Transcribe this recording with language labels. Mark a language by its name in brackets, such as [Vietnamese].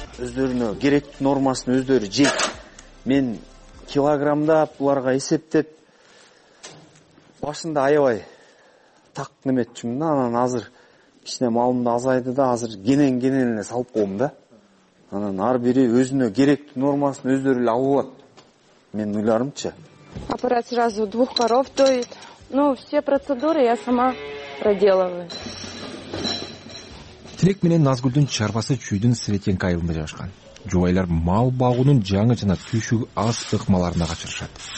[Kyrgyz] Өздөрүнө керектүү нормасын өздөрү жеп, мен килограммдап буларга эсептеп башында аябай так неметчүмүн да, анан азыр кичине малымды азайды да, азыр кенен эле салып коем да. Анан ар бири өзүнө керектүү нормасын өздөрү эле алып алат менин ыйларымча. [Russian] Аппарат сразу двух коров доит, ну все процедуры я сама проделываю. [Kyrgyz] Тилек менен Назгүлдүн чарбасы Чүйдүн Светенко айылында жайгашкан. Жубайлар мал багуунун жаңы жана түйшүгү аз ыкмаларына качырышат.